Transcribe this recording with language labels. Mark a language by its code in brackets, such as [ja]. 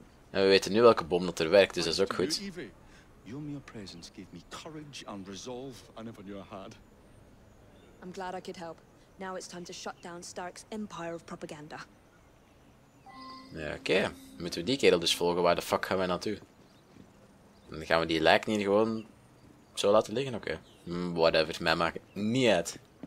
[nl] En we weten nu welke bom dat er werkt, dus dat is ook goed. [en] Your mere presence gave me courage and resolve I never knew I had. I'm glad I could help. Now it's time to shut down Stark's empire of propaganda. [nl] Ja, oké. Okay. Moeten we die kerel dus volgen? Waar de fuck gaan wij naartoe? Dan gaan we die lijk niet gewoon... Zo laten liggen, oké. Okay. Whatever, mij maakt niet uit.